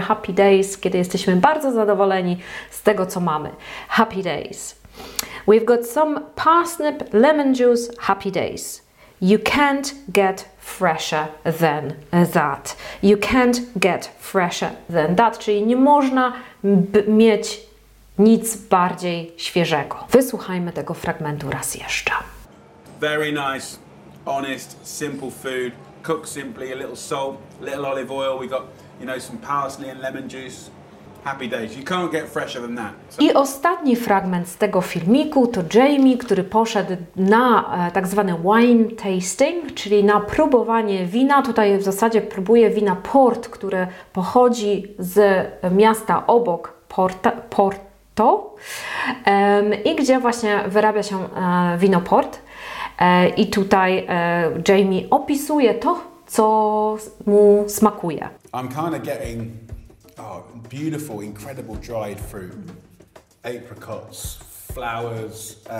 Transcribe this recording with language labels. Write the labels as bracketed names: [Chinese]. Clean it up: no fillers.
[English] Happy days, [Polish] kiedy jesteśmy bardzo zadowoleni z tego, co mamy. [English] Happy days. We've got some parsnip lemon juice. Happy days. You can't get fresher than that. You can't get fresher than that, [Polish] czyli nie można mieć nic bardziej świeżego. Wysłuchajmy tego fragmentu raz jeszcze. [English] Very nice, honest, simple food. Cooked simply, a little salt, little olive oil. We got, you know, some parsley and lemon juice. Happy days. You can't get fresher than that. So. [Polish] I ostatni fragment z tego filmiku to Jamie, który poszedł na tak zwane wine tasting, czyli na próbowanie wina. Tutaj w zasadzie próbuje wina port, które pochodzi z miasta obok port. To i gdzie właśnie wyrabia się wino port. I tutaj Jamie opisuje to, co mu smakuje. [English] I'm kind of getting beautiful, incredible dried fruit, apricots, flowers.